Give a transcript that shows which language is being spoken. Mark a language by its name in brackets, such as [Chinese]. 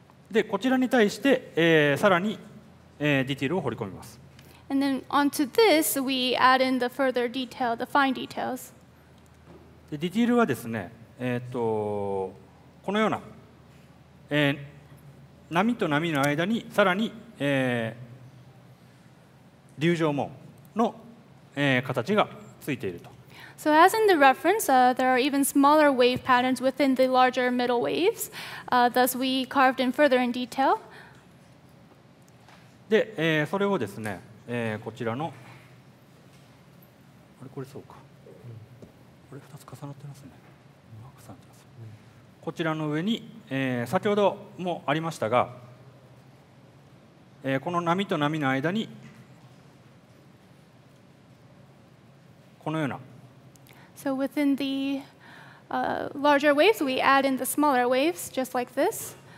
[Japanese] で、こちらに対して、さらに、ディテールを彫り込みます。 [English] And then onto this, we add in the further detail, the fine details. [Japanese] で、ディテールはですね、このような、波と波の間にさらに、流状紋の、形がついていると。 [English] So as in the reference, there are even smaller wave patterns within the larger middle waves. Thus, we carved in further in detail. [Japanese] で、それをですね、こちらのあれこれそうか、これ2つ重なってますね、こちらの上に、先ほどもありましたが、この波と波の間にこのような [English] So within the larger waves, we add in the smaller waves, just like this.